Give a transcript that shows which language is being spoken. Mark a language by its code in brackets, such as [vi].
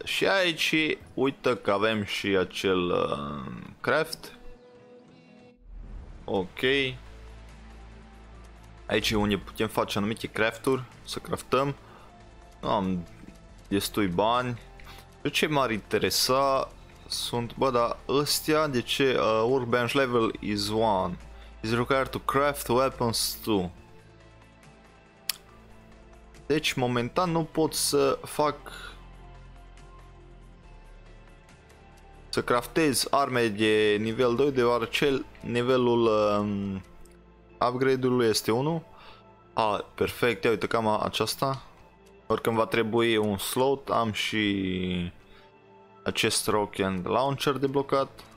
[ro] Și aici uită că avem și acel craft. Ok. Aici unde putem face anumite crafturi, să craftăm. Nu am destui bani. Ce m-ar interesa sunt, bă, dar ăstea, de ce? [en] Workbench level is 1. Is required to craft weapons 2. [ro] Deci, momentan nu pot să fac... să craftez arme de nivel 2, deoarece nivelul upgrade-ului este 1. A, perfect, ia uite cam aceasta. Oricând va trebui un slot, am și acest rocket launcher deblocat.